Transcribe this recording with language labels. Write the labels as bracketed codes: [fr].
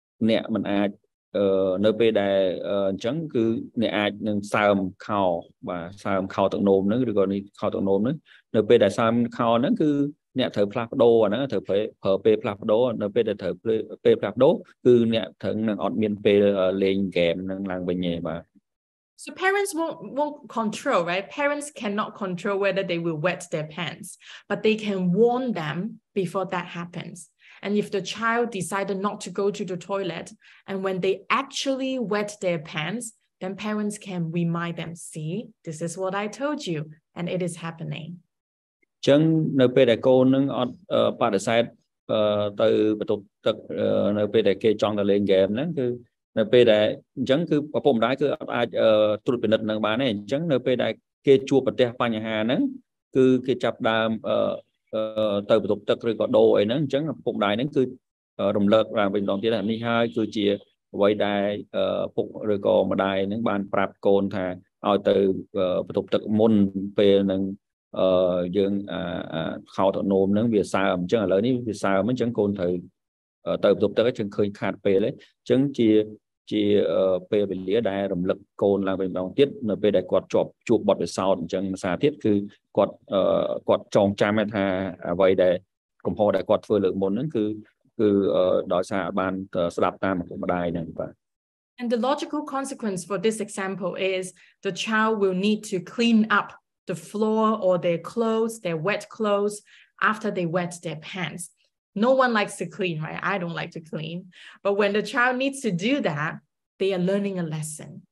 [km] អ្នក មិន អាច នៅ ពេល ដែល អញ្ចឹង គឺ អ្នក អាច នឹង សើម ខោ បាទ សើម ខោ ទឹក នោម ហ្នឹង ឬ ក៏ នេះ ខោ ទឹក នោម ហ្នឹង នៅ ពេល ដែល សើម ខោ ហ្នឹង គឺ អ្នក ត្រូវ ផ្លាស់ ប្ដូរ អា ហ្នឹង ត្រូវ ប្រើ ពេល ផ្លាស់ ប្ដូរ នៅ ពេល ដែល ត្រូវ ពេល ផ្លាស់ ប្ដូរ គឺ អ្នក ត្រូវ នឹង អត់ មាន ពេល លេង ហ្គេម ហ្នឹង ឡើង វិញ ទេ បាទ [en] So parents won't control, right? Parents cannot control whether they will wet their pants, but they can warn them before that happens. And if the child decided not to go to the toilet, and when they actually wet their pants, then parents can remind them, see, this is what I told you, and it is happening. [km] ចឹង នៅ ពេល ដែល កូន នឹង អត់ បដិសេធ ទៅ បន្ទប់ ទឹក នៅ ពេល ដែល គេ ចង់ ទៅ លេង ហ្គេម ហ្នឹង គឺ នៅ ពេល ដែល អញ្ចឹង គឺ ឪពុក ម្ដាយ គឺ អត់ អាច ត្រួត ពិនិត្យ នឹង បាន ទេ អញ្ចឹង នៅ ពេល ដែល គេ ជួប ប្រទះ បញ្ហា ហ្នឹង គឺ គេ ចាប់ ដើម ទៅ បន្ទប់ ទឹក ឬ ក៏ ដោ អី ហ្នឹង អញ្ចឹង ឪពុក ម្ដាយ ហ្នឹង គឺ រំលឹក ឡើង វិញ ម្ដង ទៀត នេះ ហើយ គឺ ជា អ្វី ដែល ឪពុក ឬ ក៏ ម្ដាយ ហ្នឹង បាន ប្រាប់ កូន ថា ឲ្យ ទៅ បន្ទប់ ទឹក មុន ពេល ហ្នឹង យើង ខោ ទៅ នោម ហ្នឹង វា សើម អញ្ចឹង ឥឡូវ នេះ វា សើម អញ្ចឹង កូន ត្រូវ ទៅ បន្ទប់ ទឹក អញ្ចឹង ឃើញ ខាត ពេល ហើយ អញ្ចឹង ជា ពេល វេលា ដែល រំលឹក កូន ឡើង វិញ ម្ដង ទៀត នៅ ពេល ដែល គាត់ ជួប បទ ពិសោធន៍ អញ្ចឹង ម្សា ទៀត គឺ គាត់ គាត់ ចង់ ចាំ ហើយ ថា អ្វី ដែល កំហុស ដែល គាត់ ធ្វើ លើក មុន ហ្នឹង គឺ ដោយសារ បាន ស្ដាប់ តាម ម្ដាយ ហ្នឹង បាទ [en] And the logical consequence for this example is the child will need to clean up the floor or their clothes, their wet clothes, after they wet their pants. No one likes to clean, right? I don't like to clean. But when the child needs to do that, they are learning a lesson.